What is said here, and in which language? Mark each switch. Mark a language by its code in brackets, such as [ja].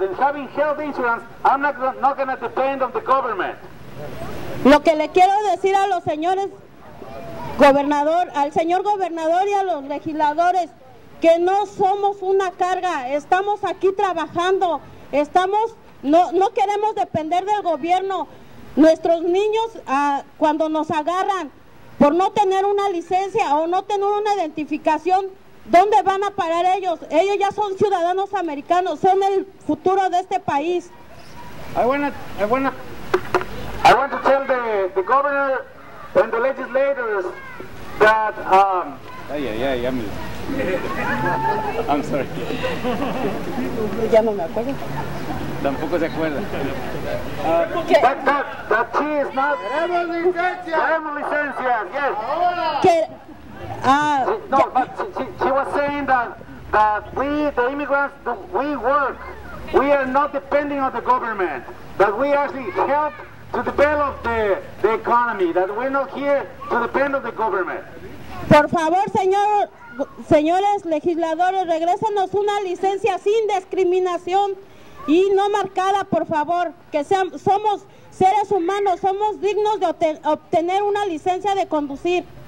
[en] In having health insurance, I'm not going to depend on the government. [es] Lo que le quiero decir a los señores gobernador, al señor gobernador y a los legisladores, que no somos una carga, estamos aquí trabajando, no queremos depender del gobierno. Nuestros niños, cuando nos agarran por no tener una licencia o no tener una identificación, ¿dónde van a parar ellos? Ellos ya son ciudadanos americanos, son el futuro de este país. [en] I want to tell the governor and the legislators that I'm sorry. [es] Ya no me acuerdo. Tampoco se acuerda. [en] That she is not. [es] Queremos licencia. Queremos licencia. Yes. Ahora. Que, [en] no, but she was saying that we, the immigrants, we work. We are not depending on the government. That we actually help to develop the economy. That we're not here to depend on the government. [es] Por favor, señores legisladores, regrésenos una licencia sin discriminación y no marcada, por favor, que somos seres humanos, somos dignos de obtener una licencia de conducir.